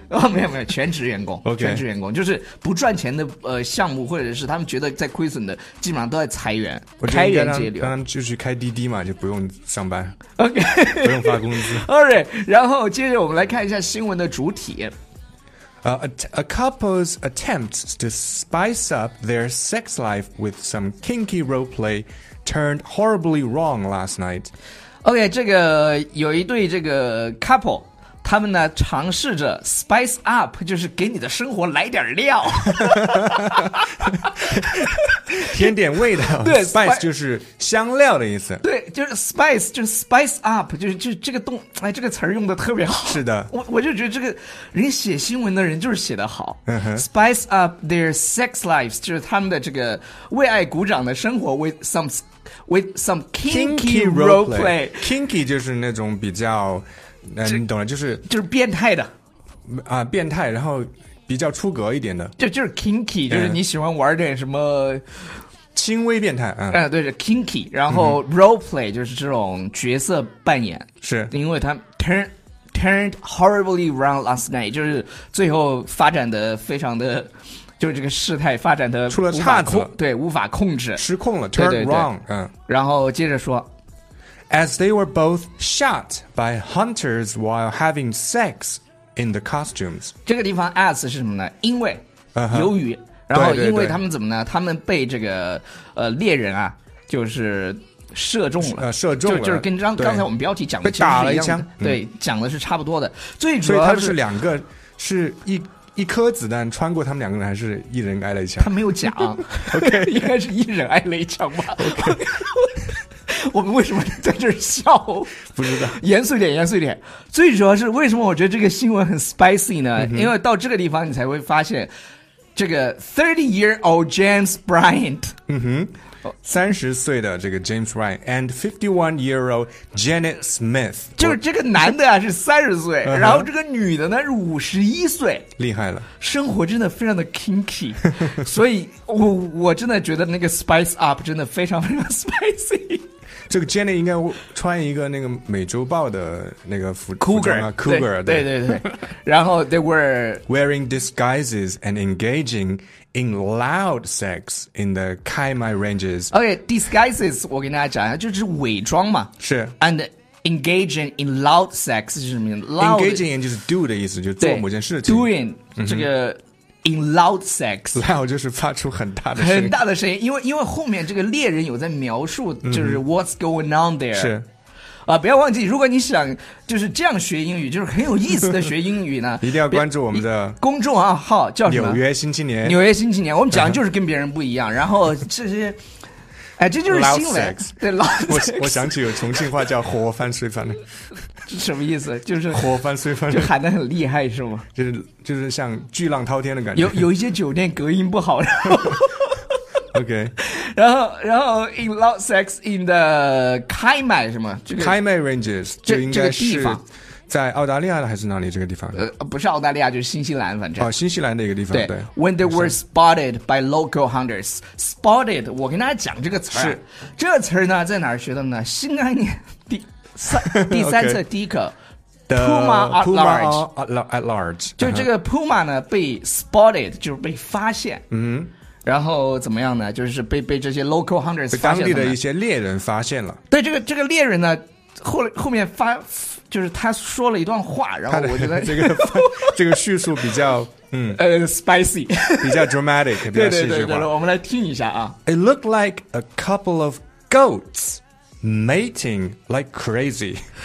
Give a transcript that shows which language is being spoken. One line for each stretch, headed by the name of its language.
Chinese: 哦，没有没有，全职员工。
English: OK，
Chinese: 全职员工就是不赚钱的项目，或者是他们觉得在亏损的，基本上都在裁员，开源节流。刚刚就去开滴滴嘛，就不用上班。
English: OK，
Chinese: 不用发工资。 Alright， 然后接着我们来看一下新闻的主体。
English: A couple's attempts to spice up their sex life with some kinky role play. Turned horribly wrong last night.
Chinese: OK， 这个有一对这个 couple， 他们呢尝试着 spice up， 就是给你的生活来点料，添点味道。对，spice 就是香料的意思。对，就是 spice， 就是 spice up， 就是这个动，哎，这个词用的特别好。是的，我就觉得这个人写新闻的人就是写的好。
English: Spice up their sex lives，
Chinese: 就是他们的这个为爱鼓掌的生活
English: with some kinky role play。
Chinese: Kinky 就是那种比较，你懂了，就是变态的啊，变态，然后比较出格一点的，就是 kinky， 就是你喜欢玩点什么轻微变态，对，是 kinky， 然后 role play 就是这种角色扮演，是因为他
English: turned horribly wrong last night，
Chinese: 就是最后发展的非常的，就是这个事态发展的出了岔子，对，无法控制，失控了
English: turned wrong，
Chinese: 然后接着说。
English: As they were both shot by hunters while having sex in the costumes.
Chinese: 这个地方 as 是什么呢？因为、uh-huh. 由于，然后因为他们怎么呢？对对对，他们被这个猎人啊，就是射中了，射中了，就是跟刚才我们标题讲的其实是一样的，被打了一枪，对、嗯，讲的是差不多的。最主要是，所以他们是两个，是一颗子弹穿过他们两个人，还是一人挨了一枪？他没有讲，OK，应该是一人挨了一枪吧。 OK 我们为什么在这儿笑？不知道，严肃一点，严肃一点。最主要是为什么我觉得这个新闻很 spicy 呢？嗯、因为到这个地方你才会发现，这个 30-year-old James Bryant， 30岁的这个 James Bryant and 51-year-old Janet Smith，就是这个男的啊是30岁，然后这个女的呢是51岁，厉害了，生活真的非常的 kinky， 所以我真的觉得那个 spice up 真的非常非常 spicy。这个 Jenny 应该穿一个那个美洲豹的那个服装啊 Cougar 对对对, 对然后
English: they were wearing disguises and engaging in loud sex in the Kaimai Ranges.
Chinese: OK, disguises 我跟大家讲一下，就是伪装嘛，是
English: and engaging in loud sex
Chinese: 是什么意思？
English: loud,
Chinese: engaging in 就是 do 的意思，就是做某件事情，
English: doing 这个In loud sex，
Chinese: loud 就是发出很大的声音，很大的声音，因为后面这个猎人有在描述，就是
English: what's going on there，
Chinese: 是啊，不要忘记，如果你想就是这样学英语，就是很有意思的学英语呢，一定要关注我们的公众号，叫什么？纽约新青年，纽约新青年，我们讲的就是跟别人不一样，然后这些，哎，这就是新闻，
English: loud sex，对 loud sex，
Chinese: 我想起有重庆话叫火翻水翻的。是什么意思？就是火翻水翻，就喊得很厉害，是吗？就是像巨浪滔天的感觉。有一些酒店隔音不好。
English: OK，然后 in loud sex in the Kaimai 是吗？
Chinese: 这个 Kaimai Ranges 就应该是在澳大利亚的还是哪里？这个地方？不是澳大利亚，就是新西兰，反正哦，新西兰的一个地方。对
English: ，When they were spotted by local hunters， spotted，
Chinese: 我跟大家讲这个词儿，是这个词儿呢，在哪儿学的呢？新概念第。第三次第一个
English: Puma at large, at large
Chinese: 就这个 Puma 呢、uh-huh. 被 spotted 就是被发现、然后怎么样呢，就是被这些
English: local hunters
Chinese: 被当地的一些猎人发现了，对，这个猎人呢 后面发就是他说了一段话，然后我觉得这个叙述比较
English: spicy
Chinese: 比较 dramatic 比较戏剧化，对对对对，我们来听一下啊。
English: It looked like a couple of goatsmating like crazy，